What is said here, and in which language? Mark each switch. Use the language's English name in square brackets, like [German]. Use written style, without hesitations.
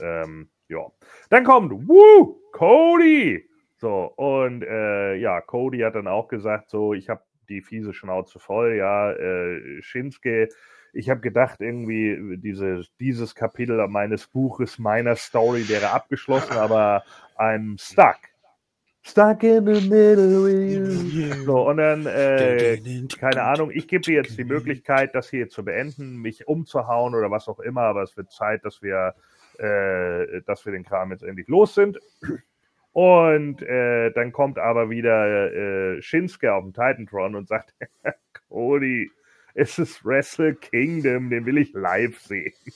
[German] Dann kommt Cody! So, und Cody hat dann auch gesagt, so, ich habe die fiese Schnauze voll, Shinsuke, ich habe gedacht, irgendwie dieses Kapitel meines Buches, meiner Story wäre abgeschlossen, aber [English] I'm stuck. Stuck in the middle with you. [German] So, und dann, keine Ahnung, ich gebe dir jetzt die Möglichkeit, das hier zu beenden, mich umzuhauen oder was auch immer, aber es wird Zeit, dass wir den Kram jetzt endlich los sind. Und dann kommt aber wieder Shinsuke auf den Titantron und sagt, Cody, es ist Wrestle Kingdom, den will ich live sehen.